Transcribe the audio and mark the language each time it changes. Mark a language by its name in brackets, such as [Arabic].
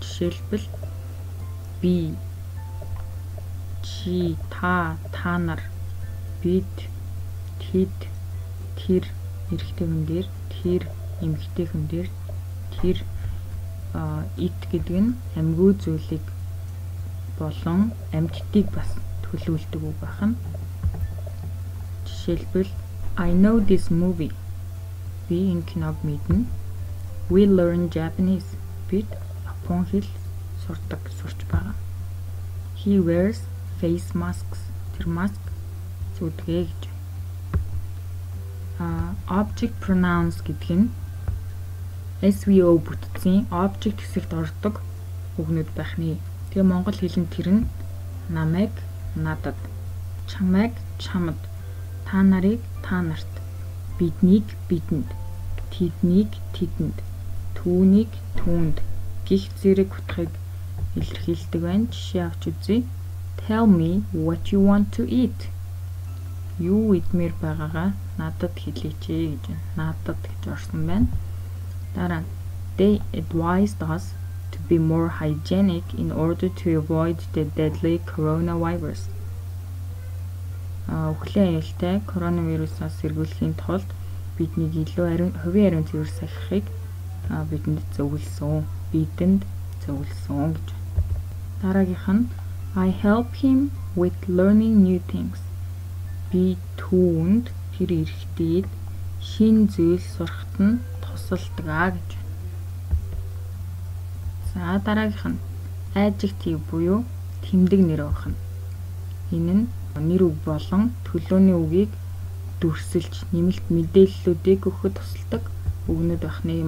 [Mongolian] Жишээлбэл би, чи, та, танар, бид, тэд, тэр, эрэгтэй хүмүүс, тэр, эмэгтэй хүмүүс, тэр, it гэдэг нь амгүй зүйлийг болон амьдтыг бас төлөвлөдөг үг байна. Жишээлбэл [English] I know this movie. [Mongolian] Би энэ киног мэднэ. [English] We learn Japanese. [Mongolian] Бид япон хэл сурдаг, сурч байгаа. [English] He wears face masks. [Mongolian] Тэр маск зүтгэе гэж. Object pronouns гэдэг нь SVO бүтцийн object хэсэгт ордог үгнүүд байна. Тэгээ Монгол хэлэнд тэр нь намайг надад, чамайг чамд, та нарыг та нарт, биднийг бидэнд, тэднийг тэдэнд, түүнийг түүнд гих зэрэг утгыг илэрхийлдэг байна. Жишээ авч үзье. [English] Tell me what you want to eat. [Mongolian] Юу идмээр байгаагаа надад хэлээчээ гэж байна. Надад гэж орсон байна. Дараа нь [English] they advised us to be more hygienic in order to avoid the deadly coronavirus. [Mongolian] Өвхлийн аюултай коронавирусаас сэргийлэхийн тулд бидний илүү хувийн ариун цэвэр сахихыг бидэнд зөвлөсөн. Гэж. Дараагийнх нь [English] I help him with learning new things. [Mongolian] Би түүнд тэр эрэгтэйд шинэ зүйл сурахт нь тусалдаг гэж. За дараагийнх нь adjective буюу тэмдэг нэр байна. Энэ нь нэр үг болон төлөвний үгийг дүрсэлж нэмэлт мэдээллүүдийг өгөхөд тусалдаг үгнүүд байна.